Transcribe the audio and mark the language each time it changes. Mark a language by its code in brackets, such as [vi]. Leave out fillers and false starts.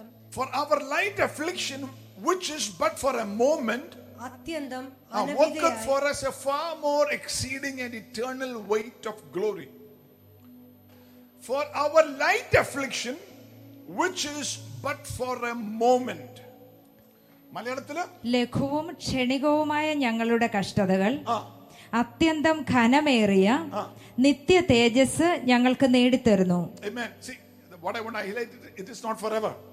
[en] For our light affliction, which is but for a moment, worketh for us a far more exceeding and eternal weight of glory. For our light affliction, which is but for a moment. [ml] മലയാളത്തില് ലഘുവും ക്ഷണികവുമായ ഞങ്ങളുടെ കഷ്ടതകൾ അത്യന്തം ഘനമേറിയ നിത്യ തേജസ് ഞങ്ങൾക്ക് നേടിത്തരുന്നു. [en] what I want to highlight it, it is not forever.